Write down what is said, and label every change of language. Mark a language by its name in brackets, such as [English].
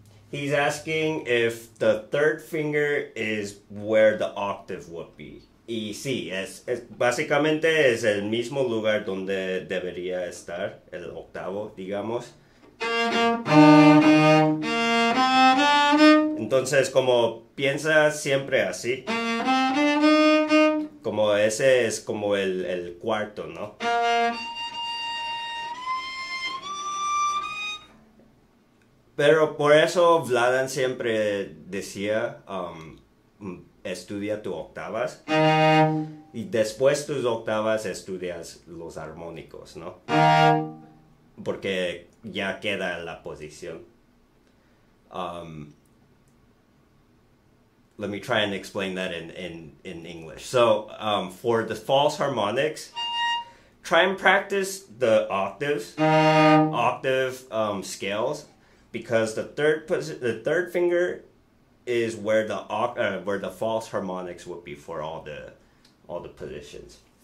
[English] He's asking if the third finger is where the octave would be. [Spanish] Y sí, es básicamente es el mismo lugar donde debería estar el octavo, digamos. Entonces, como piensa siempre así, como ese es como el cuarto, ¿no? Pero por eso Vladan siempre decía, estudia tus octavas, y después tus octavas estudias los armónicos, ¿no? Porque ya queda la posición. [English] Let me try and explain that in English. So, for the false harmonics, try and practice the octave scales, because the third finger is where the false harmonics would be for all the positions.